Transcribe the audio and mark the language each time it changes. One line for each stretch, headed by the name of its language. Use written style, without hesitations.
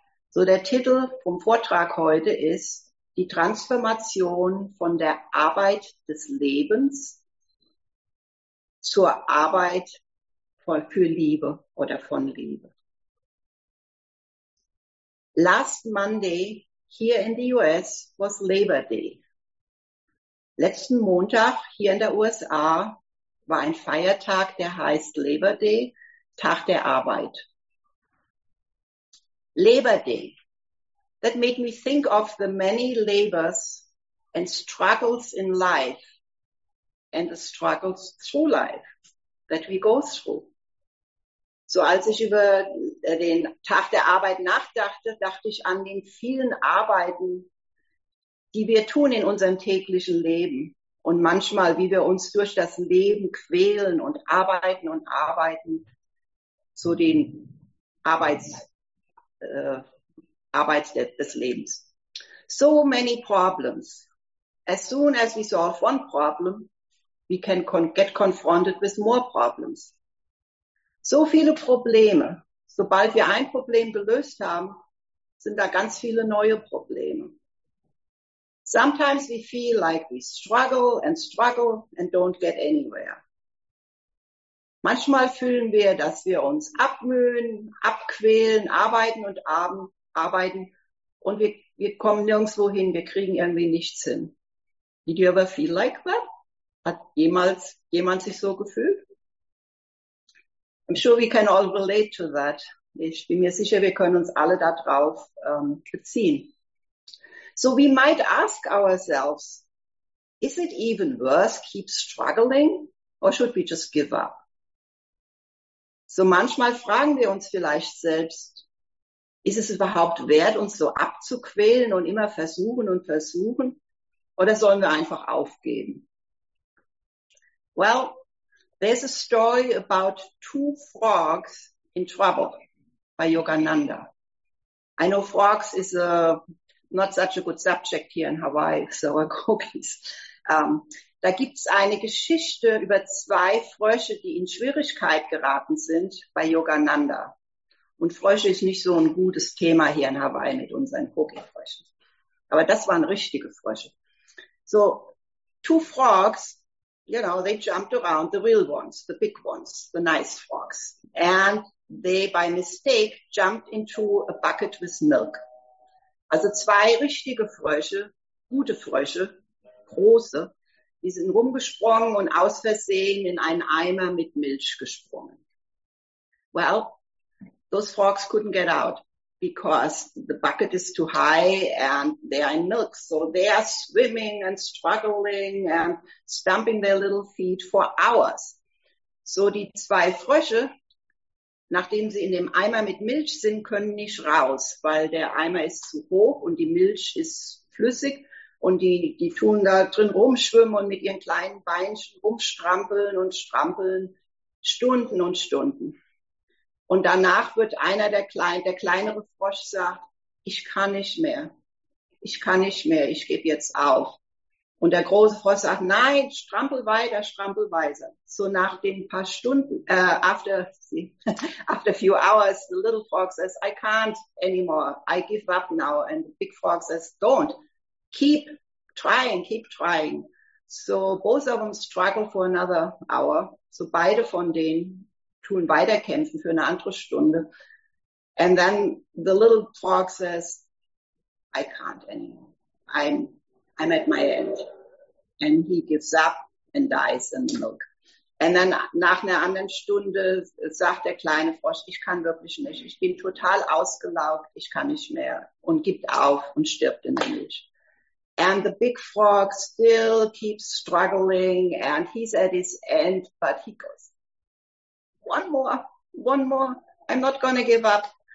German: So der Titel vom Vortrag heute ist Die Transformation von der Arbeit des Lebens zur Arbeit für Liebe oder von Liebe.
English: Last Monday here in the US was Labor Day.
German: Letzten Montag hier in der USA war ein Feiertag, der heißt Labor Day, Tag der Arbeit.
English: Labor Day. That made me think of the many labors and struggles in life and the struggles through life that we go through.
German: So als ich über den Tag der Arbeit nachdachte, dachte ich an den vielen Arbeiten, die wir tun in unserem täglichen Leben und manchmal, wie wir uns durch das Leben quälen und arbeiten, so den Arbeit des Lebens.
English: So many problems. As soon as we solve one problem, we can get confronted with more problems.
German: So viele Probleme. Sobald wir ein Problem gelöst haben, sind da ganz viele neue Probleme.
English: Sometimes we feel like we struggle and struggle and don't get anywhere.
German: Manchmal fühlen wir, dass wir uns abmühen, abquälen, arbeiten und wir kommen nirgendwo hin, wir kriegen irgendwie nichts hin.
English: Did you ever feel like that?
German: Hat jemals jemand sich so gefühlt?
English: I'm sure we can all relate to that.
German: Ich bin mir sicher, wir können uns alle darauf beziehen.
English: So we might ask ourselves, is it even worth keep struggling or should we just give up?
German: So manchmal fragen wir uns vielleicht selbst, ist es überhaupt wert, uns so abzuquälen und immer versuchen und versuchen, oder sollen wir einfach aufgeben?
English: Well, there's a story about two frogs in trouble by Yogananda. I know frogs is a not such a good subject here in Hawaii, so cookies.
German: Da gibt's eine Geschichte über zwei Frösche, die in Schwierigkeit geraten sind bei Yogananda. Und Frösche ist nicht so ein gutes Thema hier in Hawaii mit unseren Cookie-Fröschen. Aber das waren richtige Frösche.
English: So, two frogs, you know, they jumped around, the real ones, the big ones, the nice frogs. And they, by mistake, jumped into a bucket with milk.
German: Also zwei richtige Frösche, gute Frösche, große, die sind rumgesprungen und aus Versehen in einen Eimer mit Milch gesprungen.
English: Well, those frogs couldn't get out because the bucket is too high and they are in milk. So they are swimming and struggling and stamping their little feet for hours.
German: So die zwei Frösche, nachdem sie in dem Eimer mit Milch sind, können nicht raus, weil der Eimer ist zu hoch und die Milch ist flüssig und die tun da drin rumschwimmen und mit ihren kleinen Beinchen rumstrampeln und strampeln Stunden und Stunden. Und danach wird einer der kleinere Frosch sagt, ich kann nicht mehr. Ich kann nicht mehr, ich gebe jetzt auf. Und der große Frosch sagt, nein, strampel weiter, strampel weiter. So nach den paar Stunden,
English: after a few hours, the little frog says, I can't anymore, I give up now. And the big frog says, don't, keep trying, keep trying. So both of them struggle for another hour. So beide von denen tun weiterkämpfen für eine andere Stunde. And then the little frog says, I can't anymore, I'm at my end. And he gives up and dies in the milk. And then
German: nach einer anderen Stunde sagt der kleine Frosch, ich kann wirklich nicht. Ich bin total ausgelaugt. Ich kann nicht mehr. Und gibt auf und stirbt in der Milch.
English: And the big frog still keeps struggling and he's at his end, but he goes, one more, I'm not gonna give up.